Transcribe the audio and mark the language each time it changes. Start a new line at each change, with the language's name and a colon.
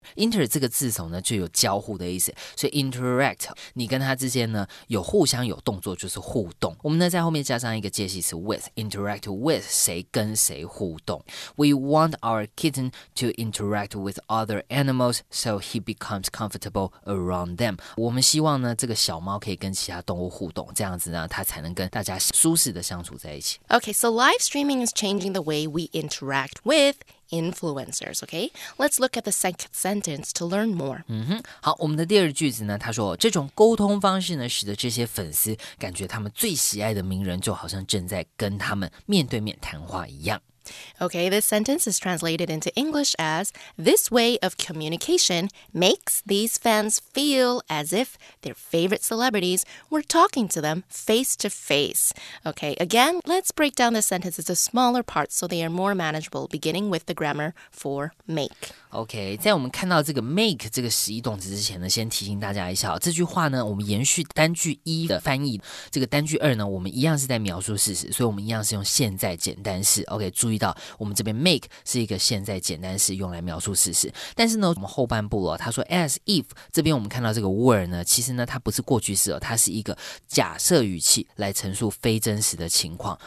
Chinese: Inter 这个字首呢就有交互的意思。所以 interact, 你跟他之间呢有互相有动作就是互动。我们呢在后面加上一个介系词 with, interact with, 谁跟谁互动。
English: We want our kitten to interact with other animals, so he becomes comfortable around them.
Chinese: 我们希望呢这个小猫可以跟其他动物互动这样子呢它才能跟大家舒适的相处在一起。
English: Okay, so live streaming is changing the way we interact with influencers, okay? Let's look at the second sentence to learn more.
Chinese: 好，我们的第二句子呢，他说，这种沟通方式呢，使得这些粉丝感觉他们最喜爱的名人就好像正在跟他们面对面谈话一样。
English: Okay, this sentence is translated into English as, this way of communication makes these fans feel as if their favorite celebrities were talking to them face to face. Okay, again, let's break down this sentence into smaller parts so they are more manageable, beginning with the grammar for make.
Chinese: OK， 在我们看到这个 make 这个实义动词之前呢，先提醒大家一下，这句话呢，我们延续单句一的翻译，这个单句二呢，我们一样是在描述事实，所以我们一样是用现在简单式。 OK， 注意到我们这边 make 是一个现在简单式用来描述事实，但是呢，我们后半部哦，他说 as if 这边我们看到这个 were 呢，其实呢，它不是过去式哦，它是一个假设语气来陈述非真实的情况。